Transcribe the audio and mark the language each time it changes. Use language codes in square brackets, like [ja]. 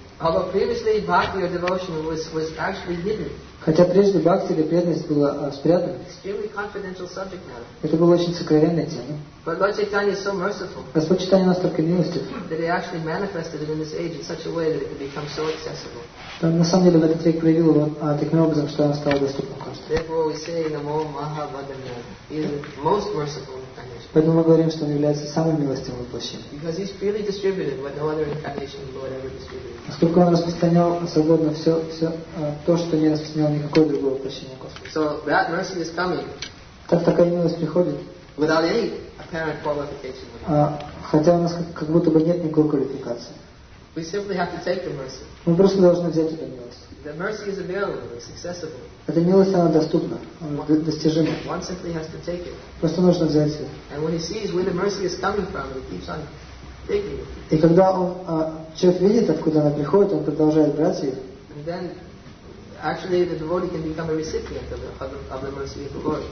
[en] Although previously bhakti or devotion was actually hidden. [ru] Хотя прежде бхакти или преданность была спрятана. [en] Extremely confidential subject matter. [ru] Это было очень сокровенное тема. [en] But Lord Chaitanya is so merciful. [ru] Господь Чайтанья настолько милостив. [en] That he actually manifested it in this age in such a way that it could become so accessible. [ru] На самом деле в этот век проявил его таким образом, что он стал доступным каждому. [en] Therefore we say [sa] Namo Mahavadanya. [en] He is most merciful. [ru] Поэтому мы говорим, что он является самым милостивым воплощением. [en] Because he's freely distributed what no other incarnation Lord ever distributed. [ru] Поскольку он распространял свободно все то, что не распространял никакое другое воплощение Господа. [en] So that mercy is coming. [ru] Так такая милость приходит. [en] Without any apparent qualification. [ru] Хотя у нас как будто бы нет никакой квалификации. [en] We simply have to take the mercy. [ru] Мы просто должны взять эту милость. [en] The mercy is available. It's accessible. [ru] Эта милость, она доступна, достижима. [en] One simply has to take it. [ru] Просто нужно взять ее. [en] And when he sees where the mercy is coming from, he keeps on taking it. [ru] И когда он, человек видит, откуда она приходит, он продолжает брать ее. [en] And then, actually, the devotee can become a recipient of the mercy of the Lord.